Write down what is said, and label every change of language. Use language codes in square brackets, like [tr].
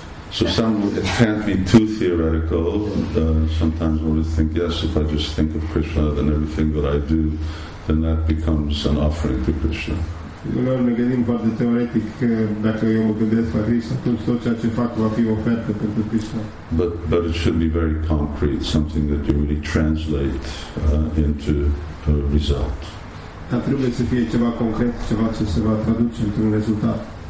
[en] So it can't be too theoretical. Sometimes when we think, yes, if I just think of Krishna, then everything that I do, then that becomes an offering to Krishna. [ro] Uneori ne gândim foarte teoretic că dacă eu mă gândesc la Krishna, atunci tot ceea ce fac va fi ofertă pentru Krishna. [en] But it should be very concrete, something that you really translate into a result. [ro] Dar trebuie să fie ceva concret, ceva ce se va traduce într-un rezultat.